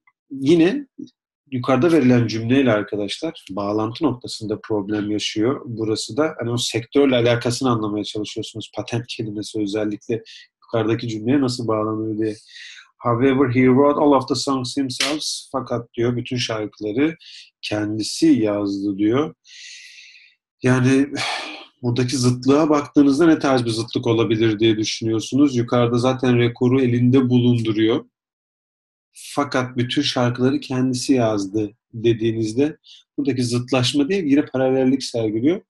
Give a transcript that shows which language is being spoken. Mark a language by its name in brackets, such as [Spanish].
[Turkish] Yine yukarıda verilen cümleyle arkadaşlar bağlantı noktasında problem yaşıyor. Burası da hani o sektörle alakasını anlamaya çalışıyorsunuz. Patent kelimesi özellikle yukarıdaki cümleye nasıl bağlanıyor diye. [English] However, he wrote all of the songs himself. [Turkish] Fakat diyor bütün şarkıları kendisi yazdı diyor. Yani buradaki zıtlığa baktığınızda ne tarz bir zıtlık olabilir diye düşünüyorsunuz. Yukarıda zaten rekoru elinde bulunduruyor. Fakat bütün şarkıları kendisi yazdı dediğinizde buradaki zıtlaşma değil, yine paralellik sergiliyor.